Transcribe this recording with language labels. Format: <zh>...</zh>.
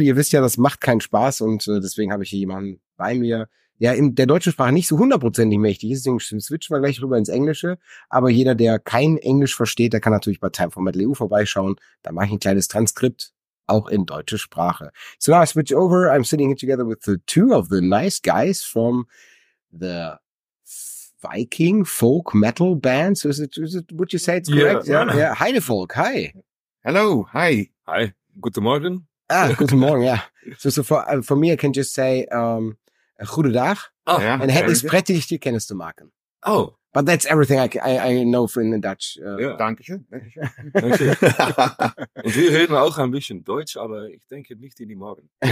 <de>Ihr wisst ja, das macht keinen Spaß und deswegen habe ich hier jemanden bei mir. Ja, in der deutschen Sprache nicht so hundertprozentig mächtig ist, deswegen switchen wir gleich rüber ins Englische. Aber jeder, der kein Englisch versteht, der kann natürlich bei timeformat.eu vorbeischauen. Da mache ich ein kleines Transkript, auch in deutsche Sprache.</de> <en>So now I switch over. I'm sitting here together with the two of the nice guys from the Viking Folk Metal Band. So is it, would you say it's correct? Yeah. Heide Folk, hi. Hello, hi.</en> <de>Hi, guten Morgen.</de> <en>Ah,</en> <de>guten Morgen,</de> <en>yeah. So for me, I can just say, Gute Dag. Oh, and</en> <nl>het is prettig, die kennis te maken. Oh.</nl> <en>But that's everything I know for in the Dutch.</en> <de>Dankeschön. Und wir reden auch ein bisschen Deutsch, aber ich denke nicht in die Morgen.</de>